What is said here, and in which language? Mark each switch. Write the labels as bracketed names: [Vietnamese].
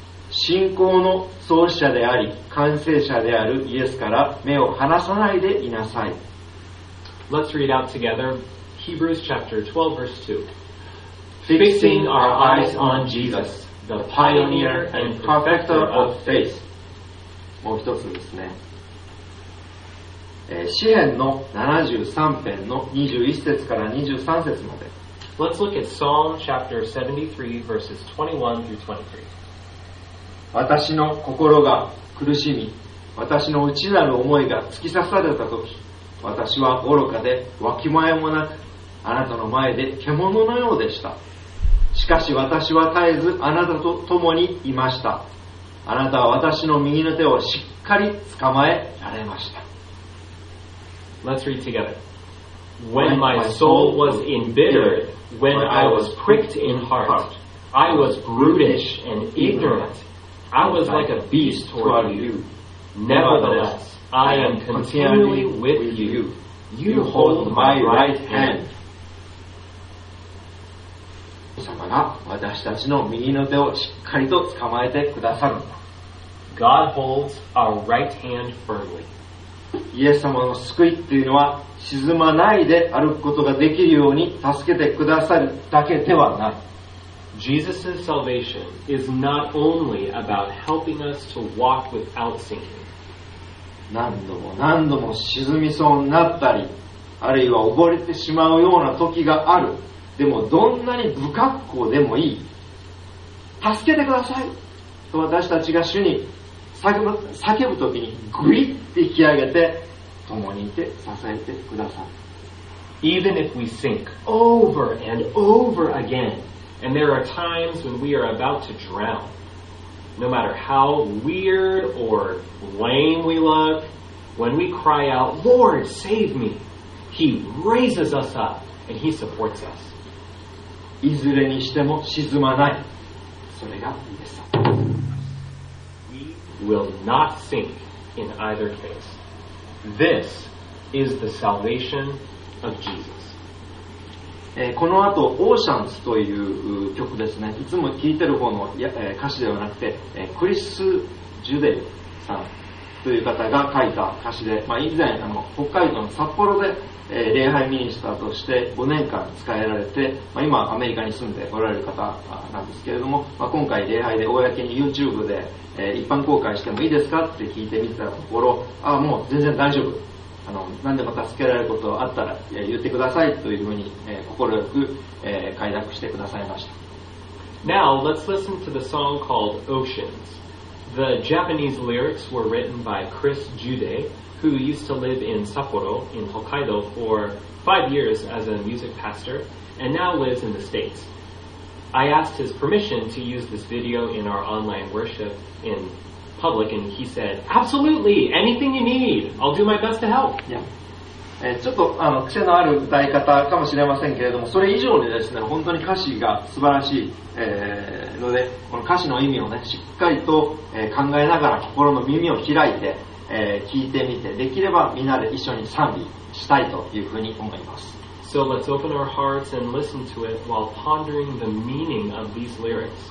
[Japanese] 信仰の創始者であり、完成者であるイエスから目を離さないでいなさい。 [English] Let's read out together. Hebrews chapter 12, verse 2. Fixing our eyes on Jesus, the pioneer and perfecter of faith. [Japanese] もう一つですね。詩編の73編の21節から23節まで。 [English] Let's look at Psalm chapter 73, verses 21 through 23. [Japanese] 私の心が苦しみ、私の内なる思いが突き刺されたとき、私は愚かでわきまえもなく、あなたの前で獣のようでした。しかし私は絶えずあなたと共にいました。あなたは私の右の手をしっかり捕まえられました。 [English] Let's read together. When my soul was embittered, when I was pricked in heart, I was brutish and ignorant. I was like a beast toward you. Nevertheless, I am continually with you. You hold my right hand. [Japanese] 神様が私たちの右の手をしっかりと捕まえてくださる。 [English] God holds our right hand firmly. [Japanese] イエス様の救いというのは沈まないで歩くことができるように助けてくださるだけではない。 [English] Jesus' salvation is not only about helping us to walk without sinking. [Japanese] 何度も何度も沈みそうになったり、あるいは溺れてしまうような時がある。でもどんなに不格好でもいい、助けてくださいと私たちが主に叫ぶときにグイッと引き上げて共にいて支えてください。 [English] Even if we sink over and over again, and there are times when we are about to drown, no matter how weird or lame we look, when we cry out, Lord, save me, He raises us up and He supports us. [Japanese] いずれにしても沈まない。それがイエス様。 [English] We will not sink in either case. This is the salvation of Jesus. [Japanese] この後、Oceans という曲ですね。いつも聴いてる方の歌詞ではなくて、クリス・ジュデルさんという方が書いた歌詞で、まあ、以前北海道の札幌で礼拝ミニスターとして5年間使えられて、まあ、今アメリカに住んでおられる方なんですけれども、まあ、今回礼拝で公に YouTube で一般公開してもいいですかって聞いてみたところ、ああもう全然大丈夫、何でも助けられることあったら言ってくださいというふうに快く快諾してくださいました。 [English] Now let's listen to the song called Oceans. The Japanese lyrics were written by Chris JudeWho used to live in Sapporo in Hokkaido for 5 years as a music pastor and now lives in the States. I asked his permission to use this video in our online worship in public, and he said, "Absolutely, anything you need, I'll do my best to help." Yeah. [Japanese] ちょっと癖のある歌い方かもしれませんけれども、それ以上にですね、本当に歌詞が素晴らしい、ので、この歌詞の意味をね、しっかりと、考えながら心の耳を開いて。聞いてみて、できればみんなで一緒に賛美したいというふうに思います。 [English] So let's open our hearts and listen to it while pondering the meaning of these lyrics.